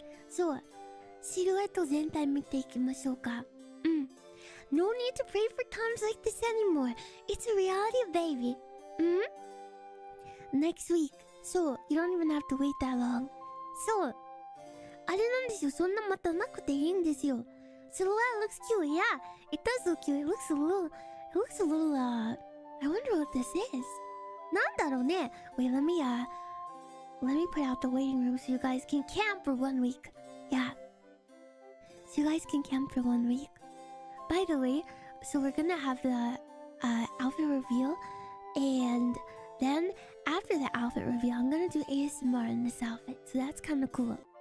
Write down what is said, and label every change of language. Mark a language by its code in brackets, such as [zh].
[ja] So, シルエット全体見ていきましょうか! [en] No need to pray for times like this anymore! It's a reality, baby! Next week! So, you don't even have to wait that long! [ja] So, あれなんですよ、そんな待たなくていいんですよ! [en] Silhouette looks cute, yeah! It does look cute, it looks a little, I wonder what this is! [ja] なんだろうね? [en] Wait, let me put out the waiting room so you guys can camp for 1 week! Yeah! So you guys can camp for 1 week! By the way, so we're gonna have the outfit reveal, and then after the outfit reveal, I'm gonna do ASMR in this outfit, so that's kinda cool!